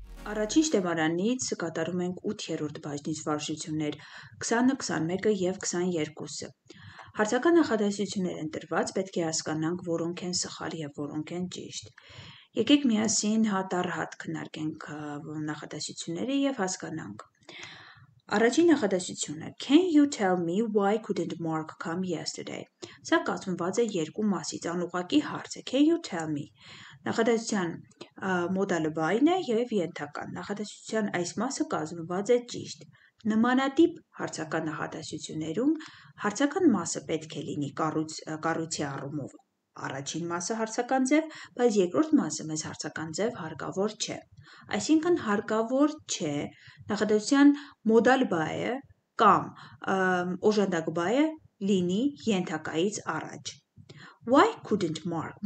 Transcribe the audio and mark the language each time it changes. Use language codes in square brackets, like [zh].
[hy] Առաջին շտեմարանից կատարում ենք 8-րդ բաժնից վարժություններ 20, 21 և 22-ը։ Հարցական նախադասություններ են տրված, պետք է հասկանանք, որոնք են սխալ և որոնք են ճիշտ։ Եկեք միասին հատառհատ քննարկենք նախադասությունները և հասկանանք։ Առաջին նախադասությունը. [en] Can you tell me why couldn't Mark come yesterday? [hy] Սա կազմված է երկու մասից, անուղակի հարց է. [en] Can you tell me? [hy] Նախադասության մոդալը why-ն է և ենթական։ Նախադասության այս մասը կազմված է ճիշտ։ Նմանատիպ հարցական նախադասություններում հարցական մասը պետք է լինի կառույցի առումով առաջին մասը հարցական ձև, բայց երկրորդ մասը մեզ հարցական ձև հարկավոր չէ։ Այսինքն հարկավոր չէ նախադասության մոդալ բայը կամ օժանդակ բայը լինի ենթակայից առաջ։ [en] Why couldn't Mark?